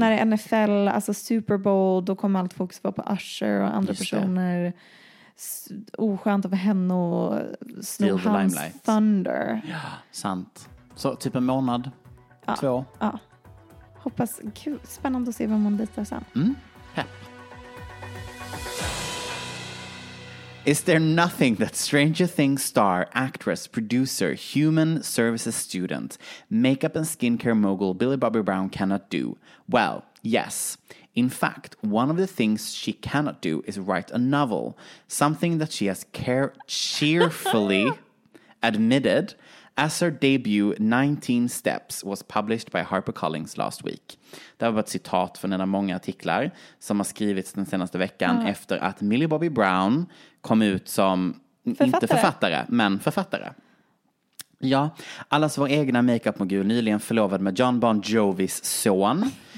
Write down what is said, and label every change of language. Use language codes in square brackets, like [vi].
[sv] När det är NFL, alltså Super Bowl, då kommer allt fokus vara på Usher och andra just personer. Det. Oskönt av henne och Snowhans Thunder. Ja, sant. Så typ en månad, två. Ja, hoppas. Kul. Spännande att se vem hon ditar sen. [en] Is there nothing that Stranger Things star, actress, producer, human services student, makeup and skincare mogul Billy Bobby Brown cannot do? Well, yes. In fact, one of the things she cannot do is write a novel, something that she has cheerfully admitted as her debut 19 Steps was published by HarperCollins last week. [sv] Det var ett citat från en av många artiklar som har skrivits den senaste veckan efter att Millie Bobby Brown kom ut som, författare. Inte författare, men författare. Ja, allas vår egna makeup-mogul nyligen förlovad med John Bon Jovis son.